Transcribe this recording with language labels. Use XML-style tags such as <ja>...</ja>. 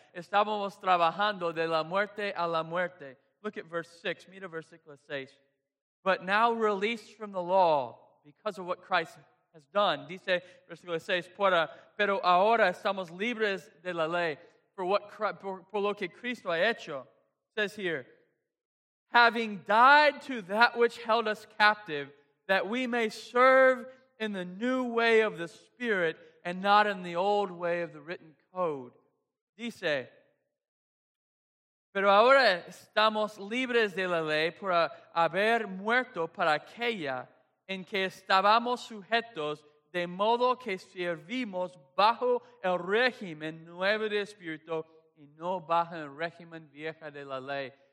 <es>Estábamos trabajando de la muerte a la muerte.</es> <en>Look at verse 6.</en> <es>Mira versículo 6.</es> <en>But now released from the law, because of what Christ has done.</en> <es>Dice versículo 6. Pero ahora estamos libres de la ley. Por lo que Cristo ha hecho.</es> <en>says here, having died to that which held us captive, that we may serve in the new way of the Spirit and not in the old way of the written code.</en> <es>Dice, pero ahora estamos libres de la ley por haber muerto para aquella en que estábamos sujetos, de modo que servimos bajo el régimen nuevo de espíritu y no bajo el régimen viejo de la ley.</es>